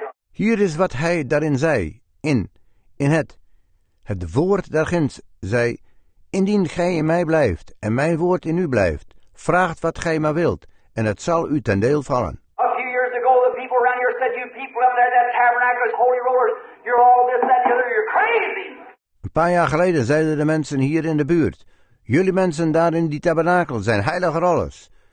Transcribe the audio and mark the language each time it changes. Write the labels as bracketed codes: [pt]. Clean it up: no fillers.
[nl] Hier is wat hij daarin zei, in het woord daarginds zei, indien gij in mij blijft en mijn woord in u blijft, vraagt wat gij maar wilt en het zal u ten deel vallen. [en] A few years ago the people around here said, you people up there, that tabernacle is holy rollers, you're all this, that, the other, you're crazy. [nl] Een paar jaar geleden zeiden de mensen hier in de buurt, jullie mensen daar in die tabernakel zijn heilige rollers.